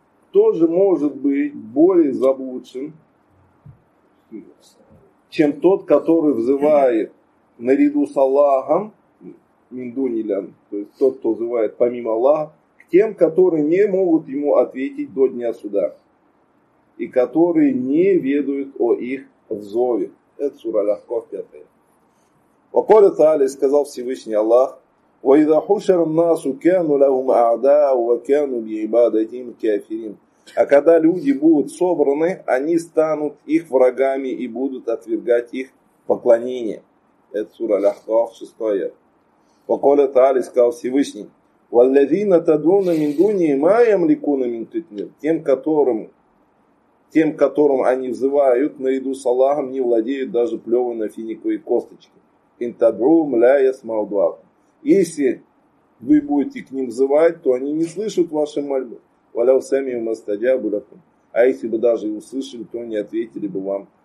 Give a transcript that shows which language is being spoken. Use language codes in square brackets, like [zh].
[ru] Кто же может быть более заблудшим, чем тот, который взывает наряду с Аллахом, [ar] مِنْ دُونِ اللَّهِ, [ru] то есть тот, кто взывает помимо Аллаха, к тем, которые не могут ему ответить до дня суда, и которые не ведают о их взове. Это сура Аль-Ахкаф, 5. [ar] وَقَالَ تَعَالَى, [ru] сказал Всевышний Аллах, [ar] وَإِذَا حُشَرَ النَّاسُ كَانُوا لَهُمْ أَعْدَاءُ وَكَانُوا بِعِبَادَتِهِمْ كَافِرِينَ. [ru] А когда люди будут собраны, они станут их врагами и будут отвергать их поклонение. Это сура Аль-Ахкаф, 6. [ar] وَقَالَ تَعَالَى, [ru] сказал Всевышний, [ar] وَالَّذِينَ تَدْعُونَ مِنْ دُونِهِ مَا يَمْلِكُونَ مِنْ قِطْمِيرٍ. [ru] Тем, которым они взывают, наряду с Аллахом, не владеют даже плеванной финиковой косточкой. [ar] Интадрум ля ясмау дуаку. [ru] Если вы будете к ним взывать, то они не слышат ваши мольбы. [ar] Валяу сами мастадя буракум. [ru] А если бы даже и услышали, то не ответили бы вам.